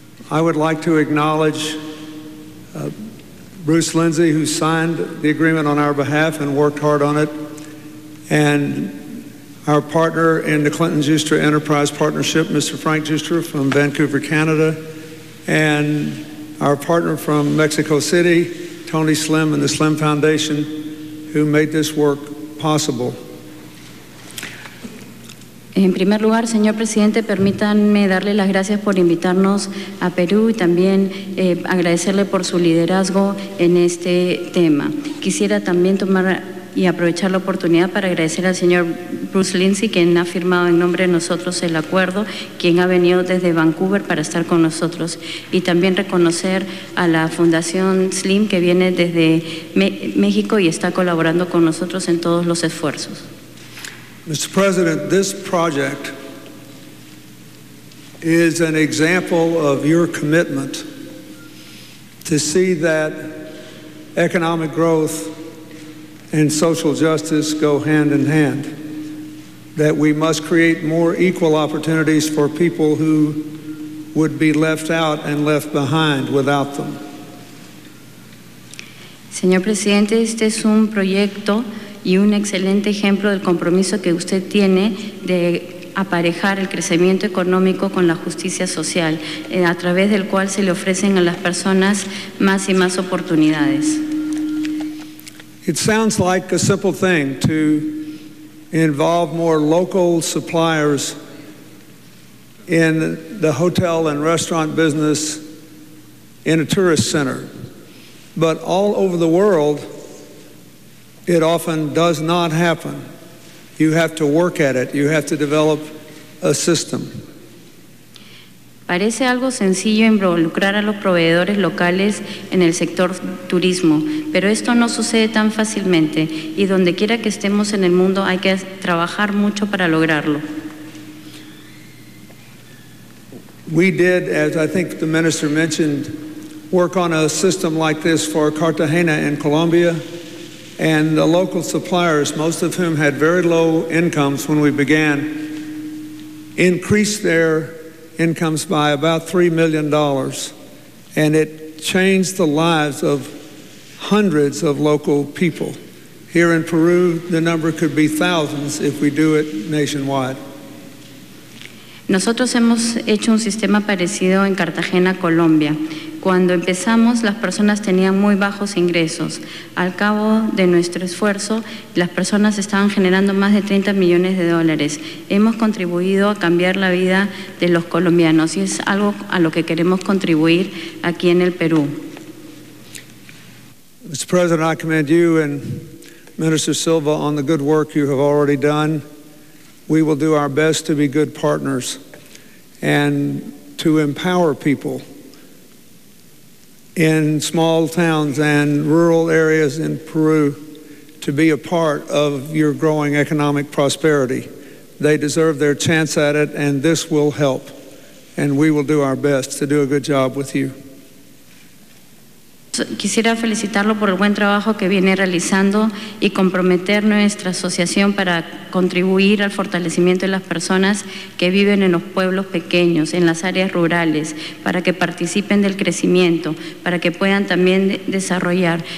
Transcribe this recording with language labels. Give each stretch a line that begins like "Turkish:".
English: I would like to acknowledge Bruce Lindsay, who signed the agreement on our behalf and worked hard on it, and our partner in the Clinton-Giustra Enterprise Partnership, Mr. Frank Giustra from Vancouver, Canada, and our partner from Mexico City, Tony Slim and the Slim Foundation, who made this work possible.
Spanish: En primer lugar, señor presidente, permítanme darle las gracias por invitarnos a Perú y también agradecerle por su liderazgo en este tema. Quisiera también tomar y aprovechar la oportunidad para agradecer al señor Bruce Lindsay, quien ha firmado en nombre de nosotros el acuerdo, quien ha venido desde Vancouver para estar con nosotros, y también reconocer a la Fundación Slim, que viene desde México y está colaborando con nosotros en todos los esfuerzos.
English: Mr. President, this project is an example of your commitment to see that economic growth and social justice go hand in hand, that we must create more equal opportunities for people who would be left out and left behind without them.
Spanish: Señor Presidente, este es un proyecto y un excelente ejemplo del compromiso que usted tiene de aparejar el crecimiento económico con la justicia social, a través del cual se le ofrecen a las personas más y más oportunidades.
English: It sounds like a simple thing to involve more local suppliers in the hotel and restaurant business in a tourist center, but all over the world it often does not happen. You have to work at it. You have to develop a system.
Spanish: Parece algo sencillo involucrar a los proveedores locales en el sector turismo, pero esto no sucede tan fácilmente y donde quiera que estemos en el mundo hay que trabajar mucho para lograrlo.
English: We did, as I think the minister mentioned, work on a system like this for Cartagena in Colombia, and the local suppliers, most of whom had very low incomes when we began, increased their incomes by about $3 million, and it changed the lives of hundreds of local people. Here in Peru, the number could be thousands if we do it nationwide.
Spanish: Nosotros hemos hecho un sistema parecido en Cartagena, Colombia. Cuando empezamos, las personas tenían muy bajos ingresos. Al cabo de nuestro esfuerzo, las personas estaban generando más de $30 millones. Hemos contribuido a cambiar la vida de los colombianos y es algo a lo que queremos contribuir aquí en el Perú.
English: Mr. President, I commend you and Minister Silva on the good work you have already done. We will do our best to be good partners and to empower people in small towns and rural areas in Peru to be a part of your growing economic prosperity. They deserve their chance at it, and this will help. And we will do our best to do a good job with you.
Spanish: Quisiera felicitarlo por el buen trabajo que viene realizando y comprometer nuestra asociación para contribuir al fortalecimiento de las personas que viven en los pueblos pequeños, en las áreas rurales, para que participen del crecimiento, para que puedan también desarrollar.